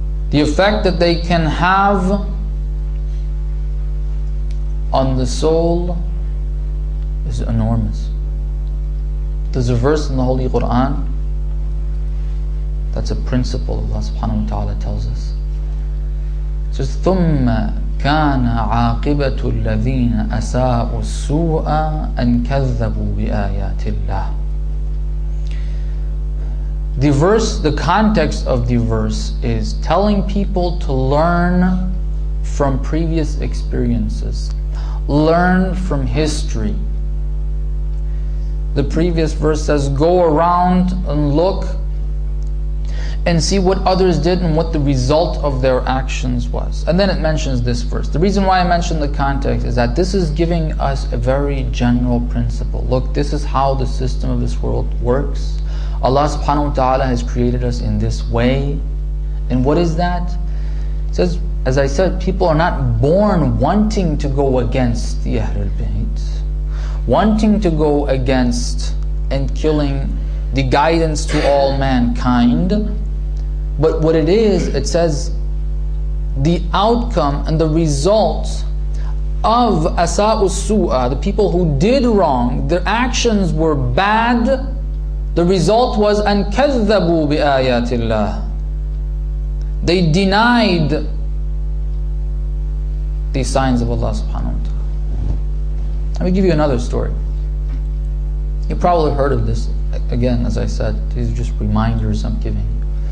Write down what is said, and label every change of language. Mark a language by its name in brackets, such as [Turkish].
[English] The effect that they can have on the soul is enormous. There's a verse in the Holy Quran that's a principle Allah subhanahu wa ta'ala tells us. It says, [Arabic] ثُمَّ كَانَ عَاقِبَةُ الَّذِينَ أَسَاءُوا السُّوءَ أَنْ كَذَّبُوا بِآيَاتِ اللَّهِ. [English] The verse, the context of the verse is telling people to learn from previous experiences. Learn from history. The previous verse says, go around and look and see what others did and what the result of their actions was. And then it mentions this verse. The reason why I mentioned the context is that this is giving us a very general principle. Look, this is how the system of this world works. Allah subhanahu wa ta'ala has created us in this way. And what is that? It says, as I said, people are not born wanting to go against the Ahlul Bayt, wanting to go against and killing the guidance to all mankind. But what it is, it says, the outcome and the result of asa'u su'a, the people who did wrong, their actions were bad, The result was [Arabic] أَنْ كَذَّبُوا بِآيَاتِ اللَّهِ. [English] They denied these signs of Allah subhanahu wa ta'ala. Let me give you another story. You probably heard of this. Again, as I said, these are just reminders I'm giving you.